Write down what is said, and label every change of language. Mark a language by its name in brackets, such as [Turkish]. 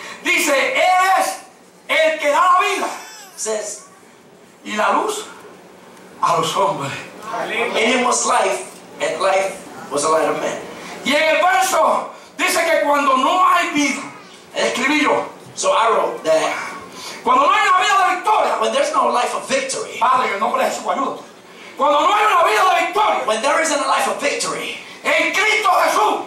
[Spanish] Dice, Él es el que da la vida. [English] Says, [Spanish] y la luz a los hombres. [English] In him was life, and life was the light of men. [Spanish] Y en el verso dice que cuando no hay vida, escribí yo. [English] So I wrote that. [Spanish] Cuando no hay una vida de victoria, [English] when there's no life of victory. [Spanish] Padre, en nombre de Jesús, ayúdame. Cuando no hay una vida de victoria, [English] when there isn't a life of victory. [Spanish] En Cristo Jesús,